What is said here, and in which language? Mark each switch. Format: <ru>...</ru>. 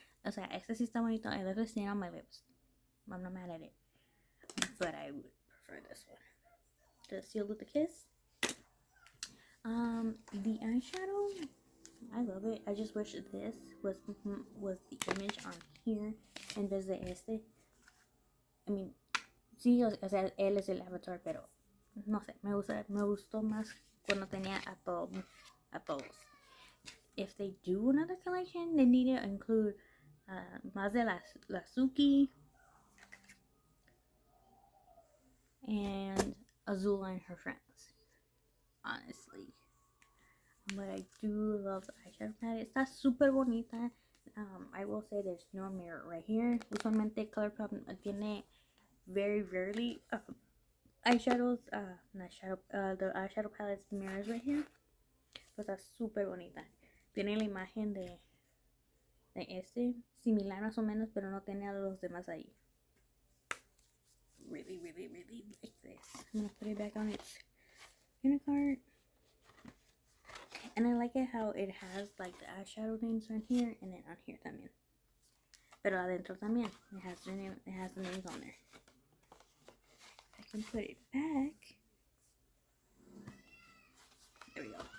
<es>O sea, este sí está bonito.</es> <en>I left a stain on my lips. I'm not mad at it. But I would prefer this one. The Sealed with a Kiss. The eyeshadow. I love it. I just wish this was the image on here.</en> <es>En vez de este.</es> <en>I mean,</en> <es>sí, o sea, él es el avatar, pero no sé. Me gustó más cuando tenía a todos.</es> <en>If they do another collection, they need to include</en> <es>más de la</es> <en>Suki and Azula and her friends, honestly. But I do love the eyeshadow palette. It's not super bonita. I will say there's no mirror right here.</en> <es>Usualmente Colourpop tiene</es> <en>very rarely eyeshadows, the eyeshadow palette's mirrors right here. But that's super bonita.</en> <es>Tiene la imagen de este, similar más o menos, pero no tenía los demás ahí.</es> <en>Really, really, really like this. I'm gonna put it back on its inner cart. And I like it how it has like the eyeshadow names on here and then on here</en> <es>también. Pero adentro también.</es> <en>It has the names on there. I can put it back. There we go.</en>